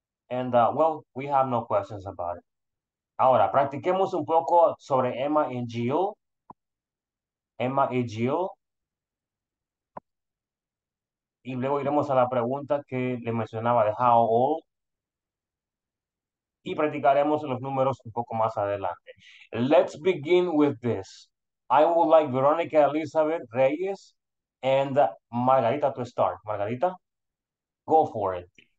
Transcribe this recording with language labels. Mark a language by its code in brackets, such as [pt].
[en] And, well, we have no questions about it. [es] Ahora, practiquemos un poco sobre Emma y Jill. Emma y Jill. Y luego iremos a la pregunta que le mencionaba de [en] how old. [es] Y practicaremos los números un poco más adelante. [en] Let's begin with this. I would like Veronica Elizabeth Reyes and Margarita to start. Margarita, go for it.